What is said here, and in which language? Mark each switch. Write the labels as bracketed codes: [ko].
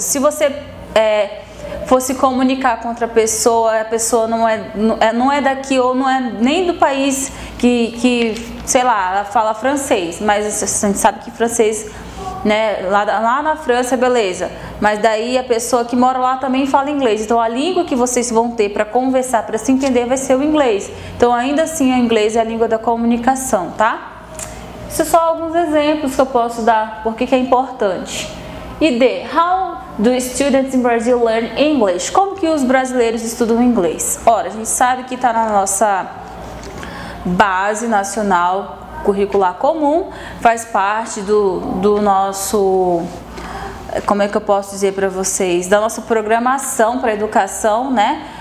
[pt] Se você fosse comunicar com outra pessoa, a pessoa não é daqui ou não é nem do país que sei lá, ela fala francês, mas a gente sabe que francês, né, lá na França, beleza, mas daí a pessoa que mora lá também fala inglês, então a língua que vocês vão ter para conversar, para se entender, vai ser o inglês. Então ainda assim o inglês é a língua da comunicação, tá? Isso é só alguns exemplos que eu posso dar porque que é importante. [en] E D, how do students in Brazil learn English? [pt] Como que os brasileiros estudam inglês? Ora, a gente sabe que está na nossa base nacional curricular comum, faz parte do nosso, como é que eu posso dizer para vocês, da nossa programação para educação, né?